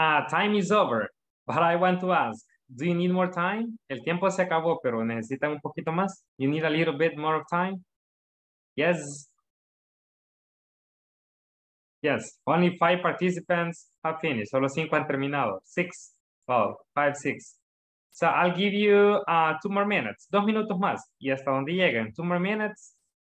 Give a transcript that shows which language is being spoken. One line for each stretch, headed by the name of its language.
English: Time is over, but I want to ask, do you need more time?
Spanish: El tiempo se acabó, pero necesitan un poquito más.
English: You need a little bit more of time? Yes. Yes, only 5 participants have finished.
Spanish: Solo 5 han terminado.
English: 6, well, 5, 6. So I'll give you 2 more minutes.
Spanish: 2 minutos más. Y hasta donde lleguen.
English: 2 more minutes.